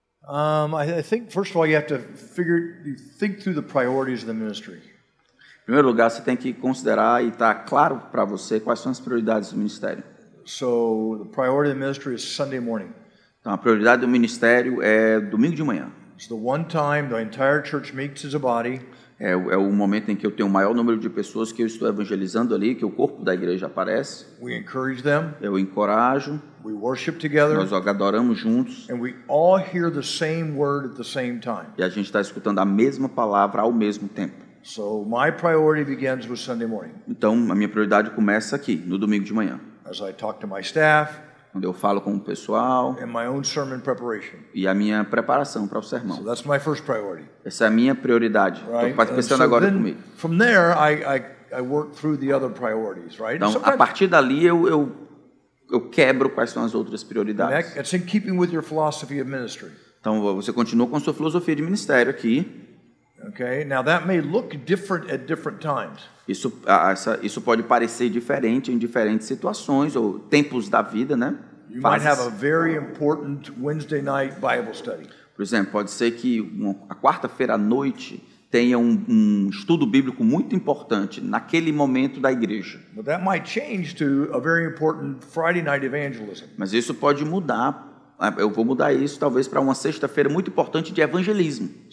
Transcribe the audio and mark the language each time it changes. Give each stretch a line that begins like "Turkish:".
English: I think, first of all, you have to think through the priorities of the ministry.
Portuguese: Em primeiro lugar, você tem que considerar e estar claro para você quais são as prioridades do ministério.
English: So, the priority of the ministry is Sunday morning.
Portuguese: Então, a prioridade do ministério é domingo de manhã.
English: It's the one time the entire church meets as a body.
Portuguese: É o momento em que eu tenho o maior número de pessoas que eu estou evangelizando ali, que o corpo da igreja aparece.
English: We encourage them.
Portuguese: Eu encorajo.
English: We worship together.
Portuguese: Nós adoramos juntos.
English: And we all hear the same word at the same time.
Portuguese: E a gente está escutando a mesma palavra ao mesmo tempo.
English: So my priority begins with Sunday morning.
Portuguese: Então a minha prioridade começa aqui, no domingo de manhã.
English: As I talk to my staff,
Portuguese: quando eu falo com o pessoal,
English: and my own sermon preparation.
Portuguese: E a minha preparação para o sermão.
English: So that's my first priority.
Portuguese: Essa é a minha prioridade.
English: Right?
Portuguese: Estou pensando
English: so
Portuguese: agora
English: then,
Portuguese: comigo.
English: From there I work through the other priorities, right?
Portuguese: Então, a partir dali eu quebro quais são as outras prioridades.
English: It's in keeping with your philosophy of ministry.
Portuguese: Então você continua com a sua filosofia de ministério aqui.
English: Okay. Now that may look different at different times.
Portuguese: Isso pode parecer diferente em diferentes situações ou tempos da vida, né?
English: You might have a very important Wednesday night Bible study.
Portuguese: Por exemplo, pode ser que a quarta-feira à noite tenha um estudo bíblico muito importante naquele momento da igreja.
English: But that might change to a very important Friday night evangelism.
Portuguese: Mas isso pode mudar. Eu vou mudar isso talvez para uma sexta-feira muito importante de evangelismo.